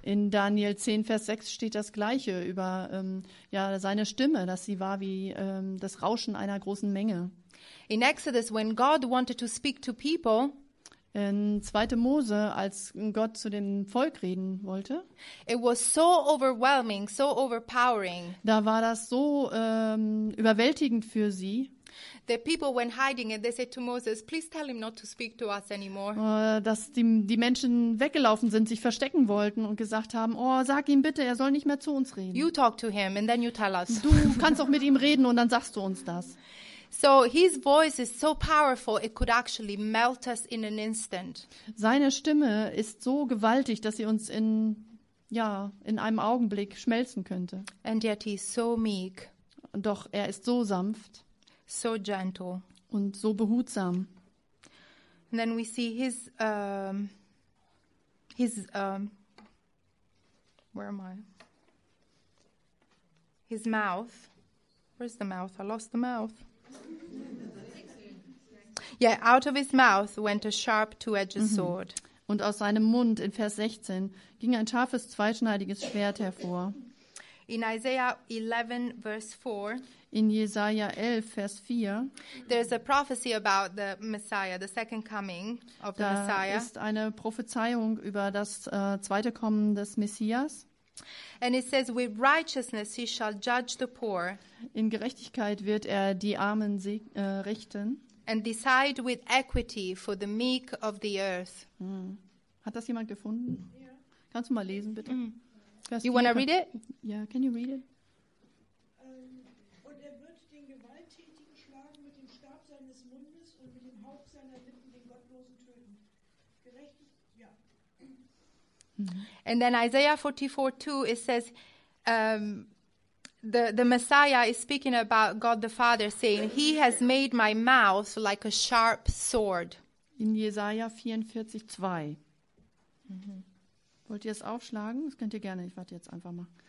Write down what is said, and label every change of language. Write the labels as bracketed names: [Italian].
[German] In Daniel 10, Vers 6 steht das gleiche über seine Stimme, dass sie war wie das Rauschen einer großen Menge. [English] In Exodus, when God wanted to speak to people, [German] in 2. Mose, als Gott zu dem Volk reden wollte, [English] it was so overwhelming, so overpowering. [German] Da war das so überwältigend für sie. [English] The people went hiding and they said to Moses, please tell him not to speak to us anymore. [German] Dass die Menschen weggelaufen sind, sich verstecken wollten und gesagt haben, oh, sag ihm bitte, er soll nicht mehr zu uns reden. [English] You talk to him and then you tell us. [German] Du kannst auch mit ihm reden und dann sagst du uns das. [English] So his voice is so powerful it could actually melt us in an instant. [German] Seine Stimme ist so gewaltig, dass sie uns in einem Augenblick schmelzen könnte. [English] And yet he is so meek. [German] Doch er ist so sanft. [English] So gentle. [German] Und so behutsam. [English] And then we see his mouth. Where's the mouth? I lost the mouth. Yeah, out of his mouth went a sharp two-edged sword. [German] Und aus seinem Mund in Vers 16 ging ein scharfes zweischneidiges Schwert hervor. [English] In Isaiah 11 verse 4. [German] In Jesaja 11 Vers 4. [English] There's a prophecy about the Messiah, the second coming of the Messiah. [German] Da ist eine Prophezeiung über das zweite Kommen des Messias. [English] And it says, with righteousness he shall judge the poor. [German] In Gerechtigkeit wird er die Armen richten. [English] And decide with equity for the meek of the earth. [German] Hat das jemand gefunden? Yeah. Kannst du mal lesen, bitte? Mm. [English] You want to read it? Yeah, can you read it? [German] Und er wird den Gewalttätigen schlagen mit dem Stab seines Mundes und mit dem Hauch seiner Lippen den Gottlosen töten. [English] And then Isaiah 44:2 it says the Messiah is speaking about God the Father saying he has made my mouth like a sharp sword. [German] In Jesaja 44:2. Wollt ihr es aufschlagen? Das könnt ihr gerne, ich warte jetzt einfach mal.